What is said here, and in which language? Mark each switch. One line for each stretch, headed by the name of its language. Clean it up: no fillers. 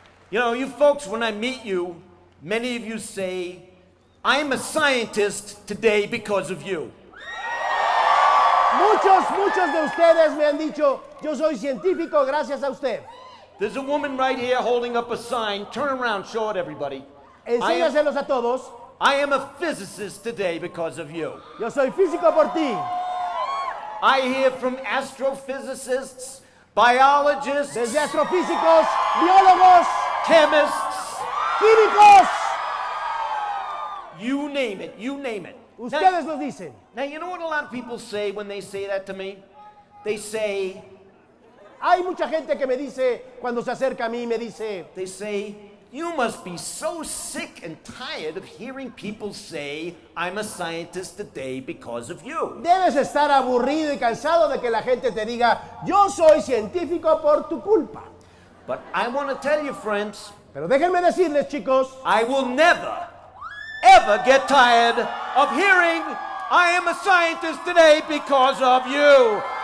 English: you know, you folks, when I meet you, many of you say, I am a scientist today because of you.
Spanish: Muchos de ustedes me han dicho, yo soy científico gracias a usted.
English: There's a woman right here holding up a sign. Turn around, show it everybody.
Spanish: Enséñaselos a todos.
English: I am a physicist today because of you.
Spanish: Yo soy físico por ti.
English: I hear from astrophysicists, biologists,
Spanish: desde astrofísicos, biólogos,
English: chemists,
Spanish: químicos.
English: You name it, you name it.
Spanish: Ustedes lo dicen.
English: Now, you know what a lot of people say when they say that to me? They say,
Spanish: hay mucha gente que me dice, cuando se acerca a mí, me dice,
English: they say, you must be so sick and tired of hearing people say, I'm a scientist today because of you.
Spanish: Debes estar aburrido y cansado de que la gente te diga, yo soy científico por tu culpa.
English: But I want to tell you, friends.
Spanish: Pero déjenme decirles, chicos.
English: I will never, ever get tired of hearing, I am a scientist today because of you.